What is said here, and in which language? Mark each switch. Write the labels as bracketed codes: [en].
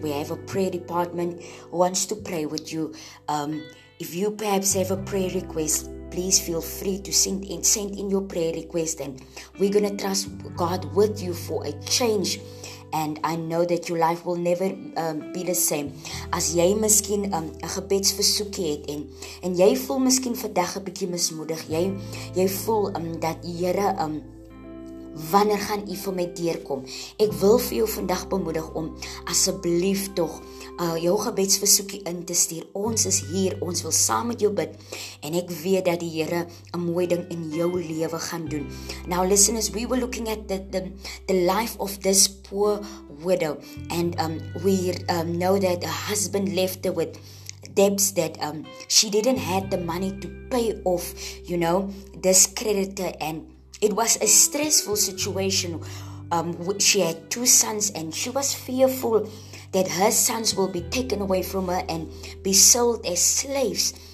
[en] We have a prayer department who wants to pray with you. If you perhaps have a prayer request, please feel free to send in your prayer request, and we're going to trust God with you for a change. And I know that your life will never be the same. [af] As jy miskien 'n gebedsversoekie het en jy voel miskien vandag 'n bietjie mismoedig, jy voel dat Here wanneer gaan u vir my deurkom? Ek wil vir jou vandag bemoedig om asseblief tog jou gebedsversoekie in te stuur. Ons is hier, ons wil saam met jou bid, en ek weet dat die Here 'n mooi ding in jou lewe gaan doen. [en] Now listeners, we were looking at the life of this poor widow, and we know that her husband left her with debts that she didn't have the money to pay off, you know, this creditor. And it was a stressful situation. She had two sons, and she was fearful that her sons will be taken away from her and be sold as slaves.